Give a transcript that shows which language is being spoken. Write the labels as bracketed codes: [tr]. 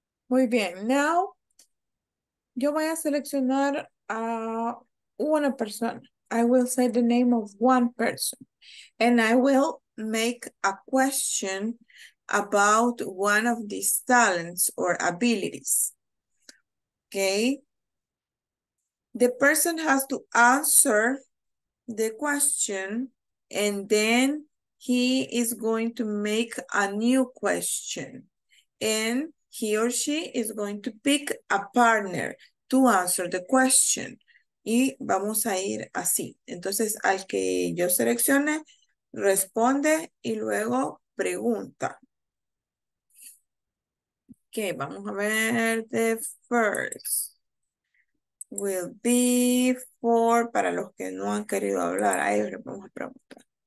[es] Muy bien, [en] now [es] yo voy a seleccionar a una persona. [en] I will say the name of one person and I will make a question about one of these talents or abilities, okay? The person has to answer the question and then he is going to make a new question and he or she is going to pick a partner to answer the question. [es] Y vamos a ir así. Entonces, al que yo seleccione, responde y luego pregunta. Okay, vamos a ver [en] the first. Will be for, [es] para los que no han querido hablar, a ellos les vamos a preguntar.